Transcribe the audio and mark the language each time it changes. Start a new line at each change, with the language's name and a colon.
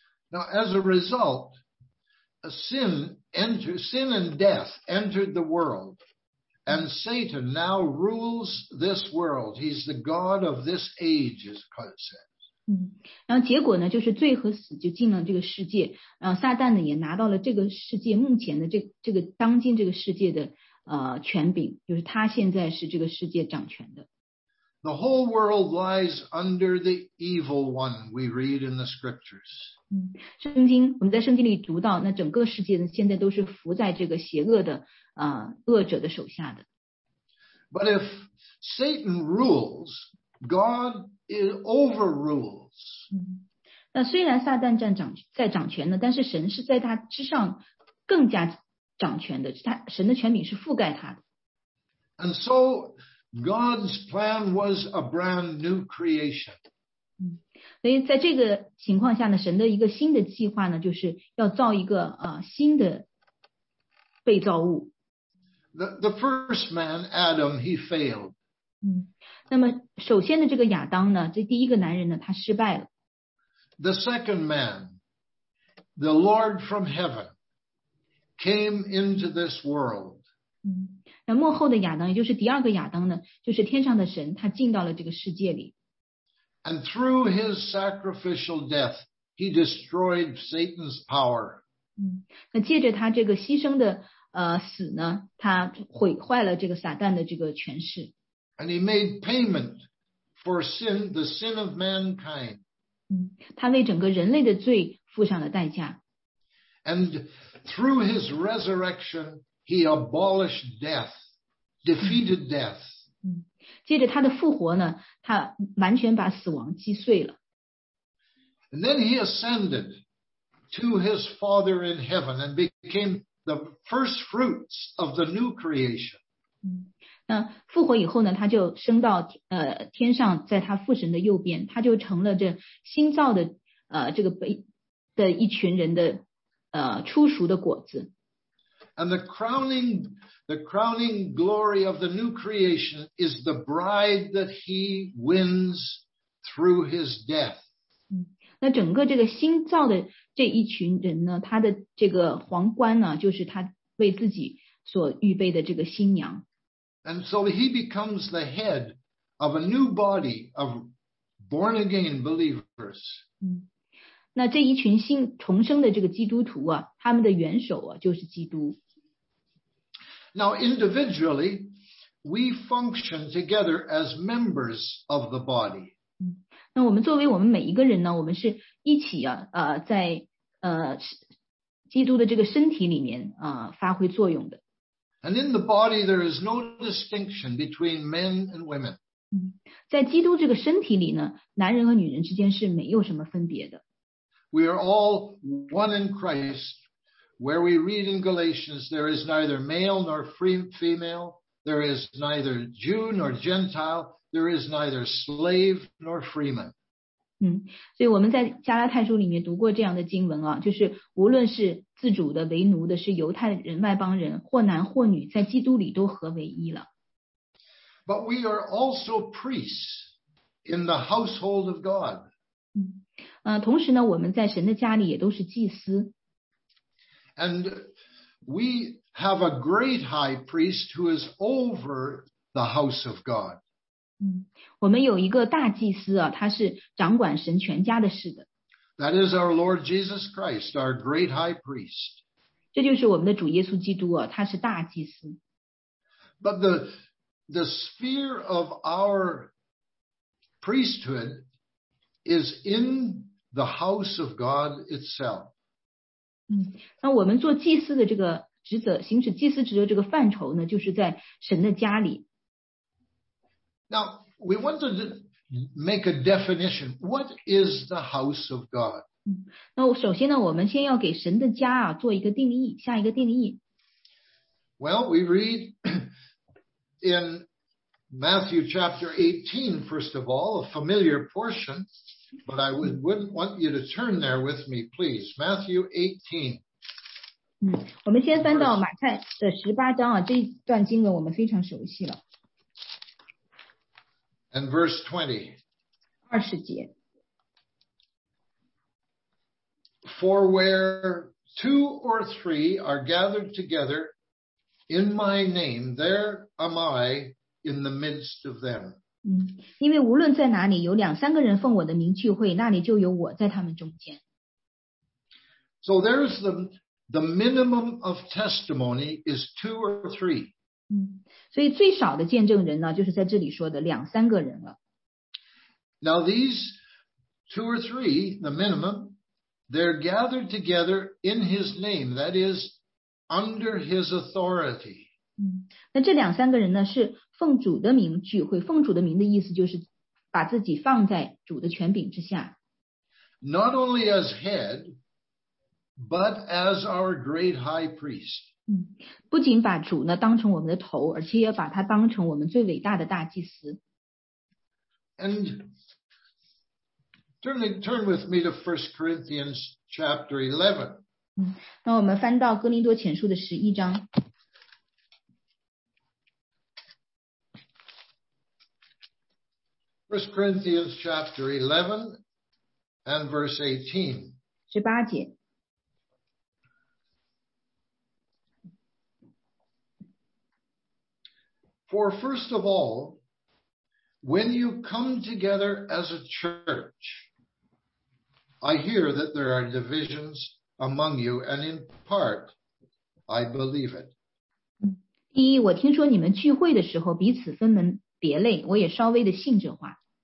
English: Now as a result, sin and death entered the world, and Satan now rules this world. He's the god of this age, as Kurt said.
Chinese: 嗯，然后结果呢，就是罪和死就进了这个世界，然后撒旦呢也拿到了这个世界目前的这个当今这个世界的权柄，就是他现在是这个世界掌权的。
English: The whole world lies under the evil one. We read in the scriptures.
Chinese: 嗯，圣经我们在圣经里读到，那整个世界呢现在都是伏在这个邪恶的恶者的手下的。
English: But if Satan rules, God. It overrules.
Chinese: 那虽然撒旦在掌权呢，但是神是在他之上更加掌权的，神的权柄是覆盖他的。
English: And so God's plan was a brand new creation.
Chinese: 所以在这个情况下呢，神的一个新的计划呢，就是要造一个新的被造物。
English: The first man, Adam, he failed.
Chinese: 那么首先的这个亚当呢，这第一个男人呢，他失败了。
English: The second man, the Lord from heaven, came into this world.
Chinese: 那幕后的亚当，也就是第二个亚当呢，就是天上的神，他进到了这个世界里。
English: And through his sacrificial death, he destroyed Satan's power.
Chinese: 那借着他这个牺牲的死呢，他毁坏了这个撒旦的这个权势。
English: And he made payment for sin, the sin of mankind.
Chinese: 他为整个人类的罪付上了代价。
English: And through his resurrection, he abolished death, defeated death.
Chinese: 借着他的复活呢，他完全把死亡击碎了。
English: And then he ascended to his Father in heaven and became the first fruits of the new creation.
Chinese: 那复活以后呢，他就升到天上，在他父神的右边，他就成了这新造的这个被的一群人的初熟的果子。
English: And the crowning glory of the new creation is the bride that he wins through his death.
Chinese: 那整个这个新造的这一群人呢，他的这个皇冠呢，就是他为自己所预备的这个新娘。
English: And so he becomes the head of a new body of born again believers.
Chinese: 那这一群新重生的这个基督徒啊，他们的元首啊，就是基督。
English: Now individually, we function together as members of the body.
Chinese: 那我们作为我们每一个人呢，我们是一起啊，在基督的这个身体里面啊，发挥作用的。
English: And in the body, there is no distinction between men and women.
Chinese: 在基督这个身体里呢，男人和女人之间是没有什么分别的。
English: We are all one in Christ, where we read in Galatians, there is neither male nor female, there is neither Jew nor Gentile, there is neither slave nor freeman.
Chinese: 所以我们在加拉太书里面读过这样的经文啊，就是无论是自主的为奴的，是犹太人外邦人，或男或女，在基督里都合为一了。
English: But we are also priests in the household of God.
Chinese: 同时呢，我们在神的家里也都是祭司。
English: And we have a great high priest who is over the house of God.
Chinese: 我们有一个大祭司啊，他是掌管神全家的事的。
English: That is our Lord Jesus Christ, our great high priest.
Chinese: 这就是我们的主耶稣基督啊，他是大祭司。
English: But the sphere of our priesthood is in the house of God itself.
Chinese: 那我们做祭司的这个职责，行使祭司职责这个范畴呢，就是在神的家里。
English: Now, we want to... Make a definition. What is the house of God?
Chinese: 那首先呢，我们先要给神的家啊做一个定义，下一个定义。
English: Well, we read in Matthew chapter 18, first of all, a familiar portion, but I wouldn't want you to turn there with me, please. Matthew 18.
Chinese: 我们先翻到马太的18章啊, 这一段经文我们非常熟悉了。
English: And verse 20.
Chinese: 20节。
English: For where two or three are gathered together in my name, there am I in the midst of them.
Chinese: 因为无论在哪里, 有两三个人奉我的名聚会, 那里就有我在他们中间。
English: So there's the minimum of testimony is two or three.
Chinese: 所以最少的见证人呢, 就是在这里说的, 两三个人了。
English: Now these two or three, the minimum, they're gathered together in his name, that is, under his authority.
Chinese: 那这两三个人呢, 是奉主的名聚会, 奉主的名的意思就是把自己放在主的权柄之下。
English: Not only as head, but as our great high priest.
Chinese: 不仅把主呢, 当成我们的头, 而且也把他当成我们最伟大的大祭司。
English: And turn with me to 1 Corinthians chapter 11.
Chinese: 那我们翻到哥林多前书的11章。
English: 1 Corinthians chapter 11 and verse 18.
Chinese: 18节。
English: For first of all, when you come together as a church, I hear that there are divisions among you, and in part, I believe it.
Chinese: 第一,我听说你们聚会的时候彼此分门别类,我也稍微的信这话。